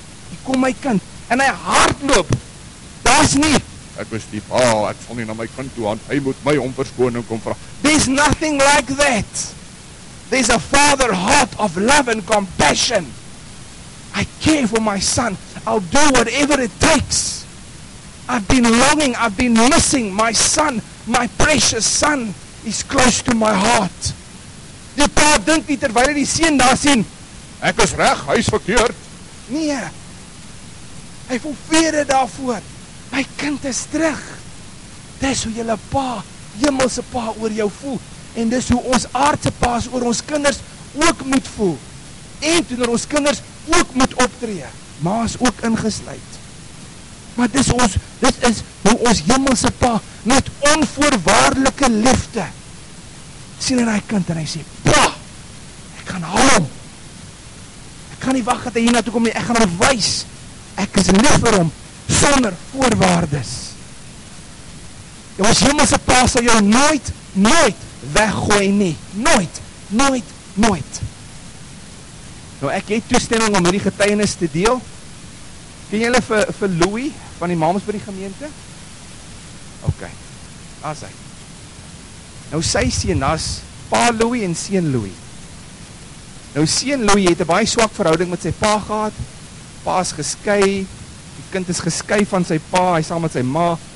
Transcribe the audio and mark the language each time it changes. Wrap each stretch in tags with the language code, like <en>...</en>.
<af>Hy kom my kind en hy hardloop. Daar's nie Ek was die pa, ek sal nie na my kind toe aan, hy moet my om verskoning kom vraag.</af> <en>There's nothing like that. There's a father heart of love and compassion. I care for my son. I'll do whatever it takes. I've been longing, I've been missing my son, my precious son is close to my heart.</en> <af>Die pa dink nie terwyl hy die seun daar sien. Ek is reg, hy is verkeerd. Nee. Hy voel vrede daarvoor. My kind is terug. Dis hoe julle pa, hemelse pa oor jou voel. En dis hoe ons aardse pa's oor ons kinders ook moet voel. En teenoor ons kinders ook moet optree. Ma's ook ingesluit. Maar dis ons, dis is hoe ons hemelse pa met onvoorwaardelike liefde sien in hy kind en hy sê, pa, ek gaan haal hom. Ek gaan nie wacht dat hy hier naartoe kom nie, ek gaan hom wys. Ek is lief vir hom. Sonder voorwaardes. En ons hemelse pa sal jou nooit, nooit weggooi nie. Nooit, nooit, nooit. Nou ek het toestemming om hierdie getuienis te deel. Ken jy hulle vir Louis van die mams by die gemeente? Ok, daar is hy. Nou sy seun, daar is pa Louis en seun Louis. Nou seun Louis het 'n baie swak verhouding met sy pa gehad. Pa is geskei. Die kind is geskei van sy pa, hy saam met sy ma.</af>